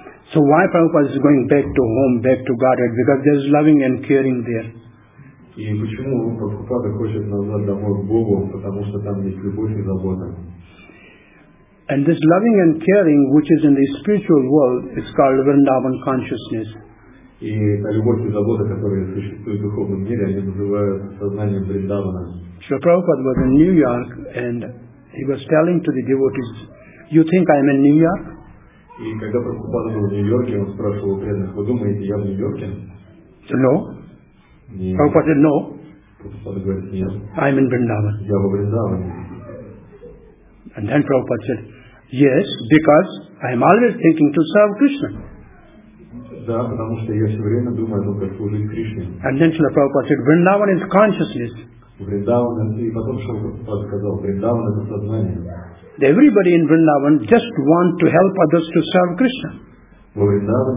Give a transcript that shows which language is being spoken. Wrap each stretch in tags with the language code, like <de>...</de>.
<en>So why Prabhupada is going back to home, back to Godhead? Because there is loving and caring there.</en> <ru>И почему Прабхупада хочет назад домой к Богу? Потому что там есть любовь и забота.</ru> <en>And this loving and caring, which is in the spiritual world, is called Vrindavan consciousness.</en> <ru>И та любовь и забота, которые существуют в духовном мире, они называют сознанием Вриндавана.</ru> <en>So Prabhupada was in New York and he was telling to the devotees, you think I'm in New York?</en> <ru>И когда Прабхупада был в Нью-Йорке, он спрашивал преданных, вы думаете, я в Нью-Йорке?</ru> <en>No. Prabhupada said, no.</en> <ru>Прабхупада говорит, нет.</ru> <en>I'm in Vrindavan.</en> <ru>Я во Вриндаване.</ru> <en>And then Prabhupada said, yes, because I'm always thinking to serve Krishna.</en> <ru>Да, потому что я все время думаю о том, как служить Кришне.</ru> <en>And then Srila Prabhupada said, Vrindavan is consciousness.</en> <ru>Vrindavan, и потом Шрила Прабхупада сказал, Vrindavan это сознание.</ru> <en>Everybody in Vrindavan just want to help others to serve Krishna.</en>